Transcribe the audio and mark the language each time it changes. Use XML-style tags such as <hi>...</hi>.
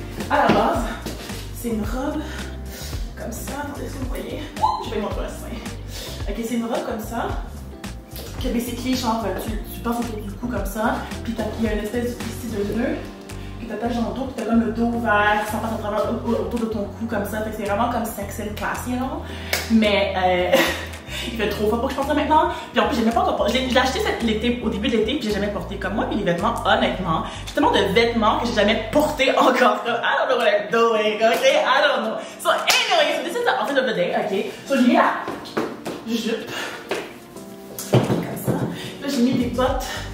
<fr>À la base, c'est une robe comme ça, attendez, est-ce que vous voyez, je vais montrer ça, ok, c'est une robe comme ça, que basically, genre, tu penses que tu as du cou comme ça, puis t'as pris une espèce de tissu de nœud, que t'attaches dans le dos, que t'as comme le dos ouvert, sans passer à travers autour de ton cou comme ça. Fait que c'est vraiment comme sexy classique,</fr> <en>you know?</en> <fr>Mais il fait trop froid pour que je porte ça maintenant. Puis en plus, j'ai même pas encore. J'ai acheté cette l'été, au début de l'été, puis j'ai jamais porté comme moi. Puis les vêtements, honnêtement, j'ai tellement de vêtements que j'ai jamais porté encore.</fr> <en>I don't know what I'm doing, ok? I don't know. So anyway, so this is the outfit of the day, ok?</en> <fr>So j'ai mis la jupe comme ça. Là, j'ai mis des bottes.</fr>